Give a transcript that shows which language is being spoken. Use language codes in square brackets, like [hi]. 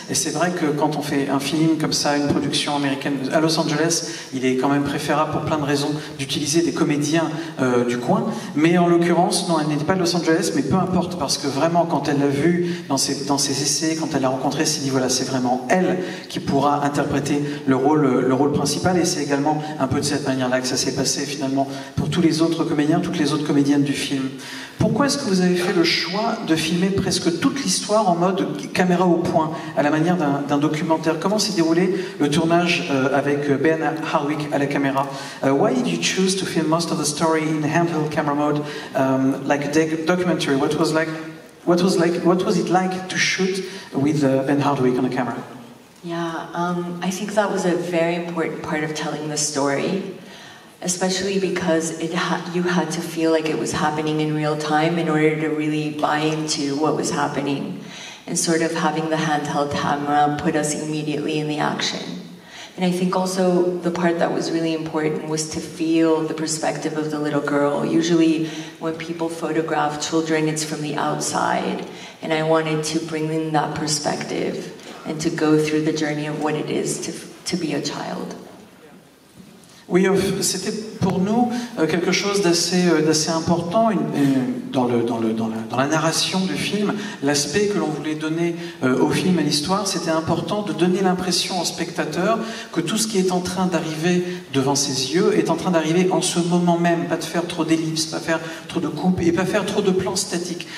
[fr] Et c'est vrai que quand on fait un film comme ça, une production américaine à Los Angeles, il est quand même préférable pour plein de d'utiliser des comédiens du coin, mais en l'occurrence, non, elle n'était pas de Los Angeles, mais peu importe, parce que vraiment, quand elle l'a vu dans ses essais, quand elle l'a rencontré, s'est dit voilà, c'est vraiment elle qui pourra interpréter le rôle principal, et c'est également un peu de cette manière-là que ça s'est passé finalement pour tous les autres comédiens, toutes les autres comédiennes du film. Pourquoi est-ce que vous avez fait le choix de filmer presque toute l'histoire en mode caméra au point, à la manière d'un documentaire? Comment s'est déroulé le tournage avec Ben Harwick à la caméra? [en] Why did you choose to film most of the story in handheld camera mode, like a documentary? What was it like to shoot with Ben Harwick on the camera? Yeah, I think that was a very important part of telling the story. Especially because you had to feel like it was happening in real time in order to really buy into what was happening. And sort of having the handheld camera put us immediately in the action. And I think also the part that was really important was to feel the perspective of the little girl. Usually when people photograph children, it's from the outside. And I wanted to bring in that perspective and to go through the journey of what it is to be a child. [fr] Oui, c'était pour nous quelque chose d'assez important dans la narration du film. L'aspect que l'on voulait donner au film, à l'histoire, c'était important de donner l'impression au spectateur que tout ce qui est en train d'arriver devant ses yeux est en train d'arriver en ce moment même, pas de faire trop d'ellipses, pas faire trop de coupes et pas faire trop de plans statiques.